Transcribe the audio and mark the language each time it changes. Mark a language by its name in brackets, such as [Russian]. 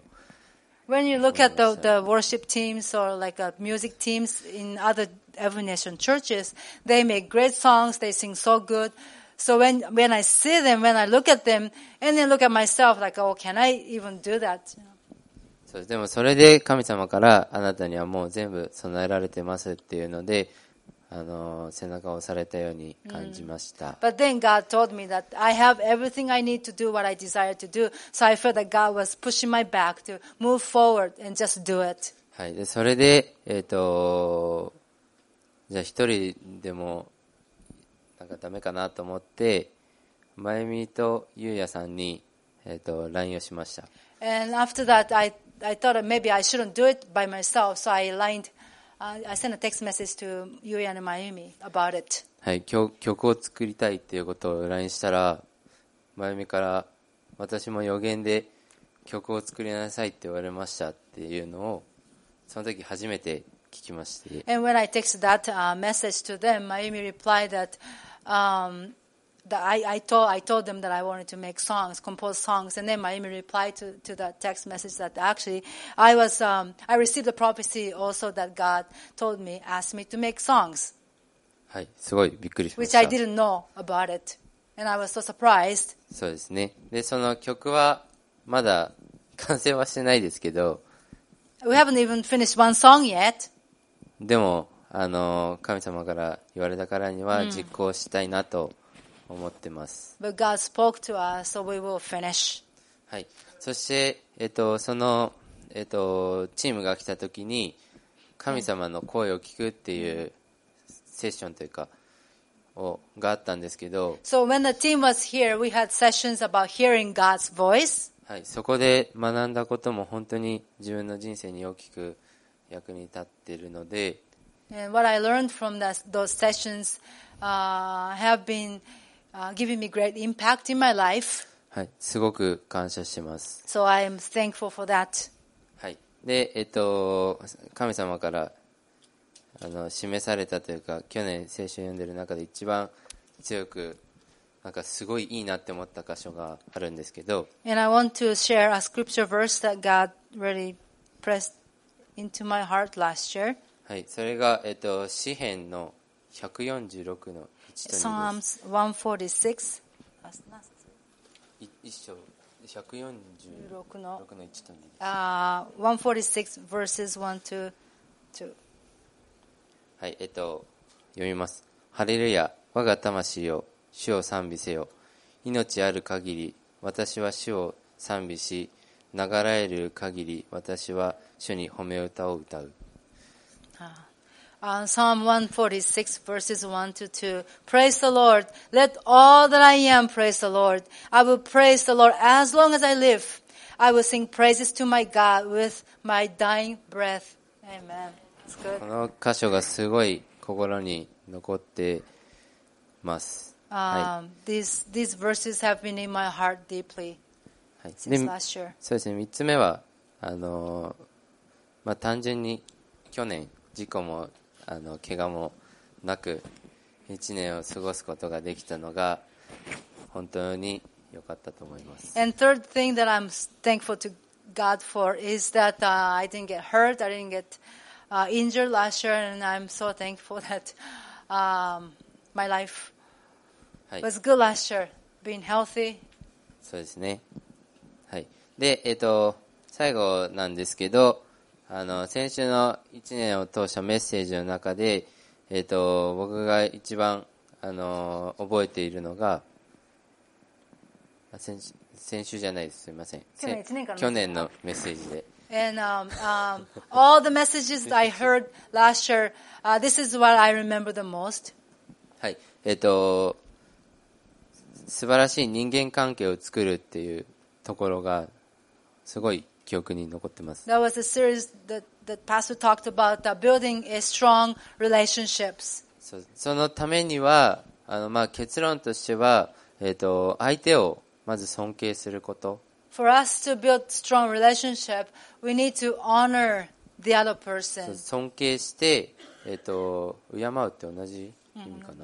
[English] Mm-hmm. When you look at the worship teams or like music teams in other Evanation churches, they make great songs, they sing so good. So when I see them, when I look at them, and then look at myself, like, oh, can I even do that? [Japanese] そう、でもそれで神様からあなたにはもう全部備えられてますっていうので、背中を押されたように感じました。 [English] But then God told me that I have everything I need to do what I desire to do. So I felt that God was pushing my back to move forward and just do it. [Japanese] はい。で、それで、じゃあ一人でもなんかダメかなと思って、まゆみとゆうやさんに、LINE をしました。 [English] And after that, I thought maybe I shouldn't do it by myself, so I LINED, I sent a text message to ゆうやの Mayumi about it. [Japanese] はい、曲を作りたいっていうことを LINE したら、まゆみから私も予言で曲を作りなさいって言われましたっていうのを、その時初めて聞きまして。 [English] And when I texted that message to them, Mayumi replied that, I told them that I wanted to make songs, compose songs, and then Mayumi replied to that text message that actually I was, I received a prophecy also that God told me, asked me to make songs. [Japanese] はい、すごいびっくりしました。 [English] Which I didn't know about it, and I was so surprised. [Japanese] そうですね。で、その曲はまだ完成はしてないですけど、 [English] We haven't even finished one song yet. [Japanese] でも、神様から言われたからには実行したいなと思ってます。 [English] But God spoke to us, so we will finish. [Japanese] はい。そして、その、チームが来た時に、神様の声を聞くっていうセッションというか、があったんですけど、 [English] So when the team was here, we had sessions about hearing God's voice. [Japanese] はい、そこで学んだことも本当に自分の人生に大きく役に立っているので、 [English] And what I learned from those sessions, have been, giving me great impact in my life. [Japanese] はい、すごく感謝してます。 [English] So I am thankful for that. [Japanese] はい、で、神様から示されたというか、去年聖書を読んでいる中で一番強くなんかすごいいいなって思った箇所があるんですけど、 [English] And I want to share a scripture verse that God really pressed into my heart last year. [Japanese] はい、それが詩編の146の1と2です。 [English] Psalms 146 verses 1 to 2. [Japanese] はい、読みます。ハレルヤ、我が魂よ。主を賛美せよ。命ある限り私は主を賛美し、ながらえる限り私は主に褒め歌を歌う。 [English] Psalm 146 verses 1 to 2. Praise the Lord. Let all that I am praise the Lord. I will praise the Lord as long as I live. I will sing praises to my God with my dying breath. Amen. It's good. [Japanese] この箇所がすごい心に残ってます。 [English] はい、these verses have been in my heart deeply since last year. [Japanese] そうですね。3つ目は、まあ、単純に去年、事故も、怪我もなく、1年を過ごすことができたのが、本当に良かったと思います。 [English] And third thing that I'm thankful to God for is that, I didn't get hurt, I didn't get, injured last year, and I'm so thankful that, my life was good last year, being healthy. [Japanese] そうですね。はい。で、最後なんですけど、先週の1年を通したメッセージの中で、僕が一番、覚えているのが、先週じゃないです。すみません。去年のメッセージで。 [English] And, all the messages that I heard last year, this is what I remember the most. [Japanese] はい。素晴らしい人間関係を作るっていうところがすごい記憶に残ってます。 [English] That was a series that Pastor talked about, building a strong relationships. [Japanese] そのためには、まあ、結論としては、相手をまず尊敬すること。 [English] For us to build strong relationship, we need to honor the other person. [Japanese] 尊敬して、敬うって同じ意味かな。